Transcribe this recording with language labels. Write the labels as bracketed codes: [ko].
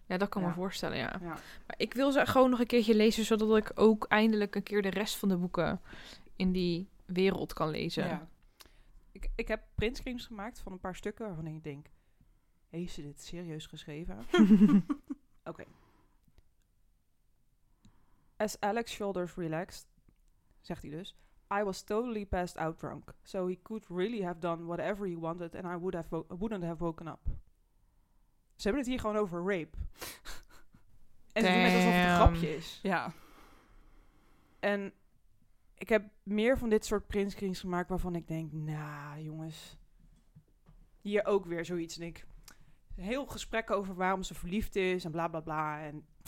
[nl] Ja, dat kan me voorstellen, ja. Maar ik wil ze gewoon nog een keertje lezen, zodat ik ook eindelijk een keer de rest van de boeken in die wereld kan lezen. Ja. Ik heb printscreens gemaakt van een paar stukken waarvan ik denk, heeft ze dit serieus geschreven? Oké. [en] As Alex's shoulders relaxed, [nl] zegt hij dus, [en] I was totally passed out drunk, so he could really have done whatever he wanted and I wouldn't have woken up. [nl] Ze hebben het hier gewoon over rape. En het doen net alsof het een grapje is. Ja. En ik heb meer van dit soort printscreens gemaakt waarvan ik denk, nah, jongens. Hier ook weer zoiets. En ik heel gesprek over waarom ze verliefd is en bla bla bla en...